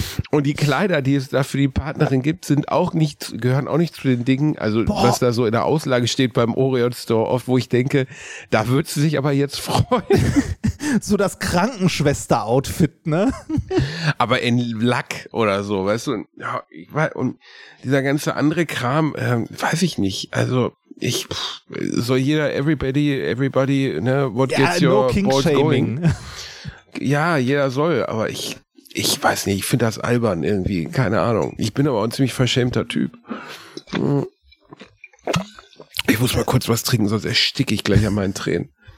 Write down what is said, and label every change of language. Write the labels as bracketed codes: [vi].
[de] Und die Kleider, die es da für die Partnerin gibt, gehören auch nicht zu den Dingen, also boah, was da so in der Auslage steht beim Orion Store oft, wo ich denke, da würde sie sich aber jetzt freuen. So das Krankenschwester-Outfit, ne? Aber in Lack oder so, weißt du? Und dieser ganze andere Kram, weiß ich nicht, also... [en] Everybody, what gets your balls going? [de] Ja, jeder soll, aber ich weiß nicht, ich finde das albern irgendwie, keine Ahnung. Ich bin aber auch ein ziemlich verschämter Typ. Ich muss mal kurz was trinken, sonst ersticke ich gleich an meinen Tränen.